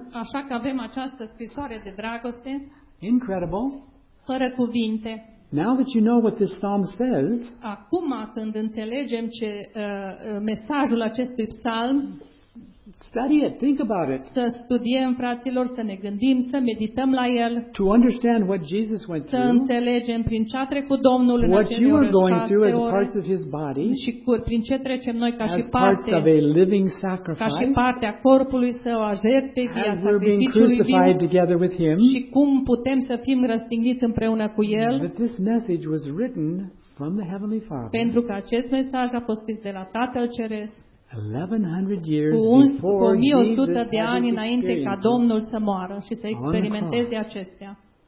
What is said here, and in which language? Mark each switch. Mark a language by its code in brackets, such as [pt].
[ro] Așa că avem această scrisoare de dragoste. [en] Incredible. [ro] Fără cuvinte. [en] Now that you know what this psalm says, [ro] acum când înțelegem ce mesajul acestui psalm, [en] study it, think about it. [ro] Să studiem, fraților, să ne gândim, să medităm la el. [en] To understand what Jesus went through. [ro] Să înțelegem prin ce a trecut Domnul în acele ore. [en] What you are going through as parts of his body. [ro] Și prin ce trecem noi ca și parte. [en] As parts of a living sacrifice. [ro] Ca și partea corpului său, a jertfei, a sacrificiului viu. Și cum putem să fim răstigniți împreună cu el. [en] That this message was written from the Heavenly Father. [ro] Pentru că acest mesaj a fost scris de la Tatăl Ceresc. [en] 1100 years before [ro] 1100 de ani înainte ca Domnul să moară și să experimenteze acestea.